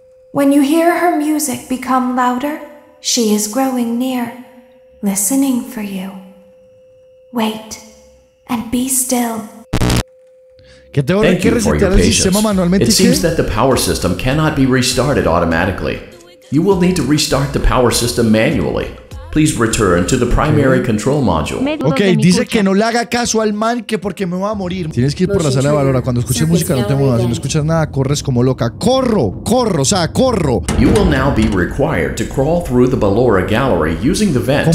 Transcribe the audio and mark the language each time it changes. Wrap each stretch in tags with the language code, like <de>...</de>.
<en>When you hear her music become louder, she is growing near, listening for you. Wait and be still. Thank you for your patience. It seems that the power system cannot be restarted automatically. You will need to restart the power system manually. Please return to the primary control module.</en> <es>Okay, dice que no le haga caso al man que porque me va a morir. Tienes que ir por la sala de Valora. Cuando escuches música no te muevas. Si no escuchas nada, corres como loca. ¡Corro!</es> <en>You will now be required to crawl through the Ballora Gallery using the vent</en>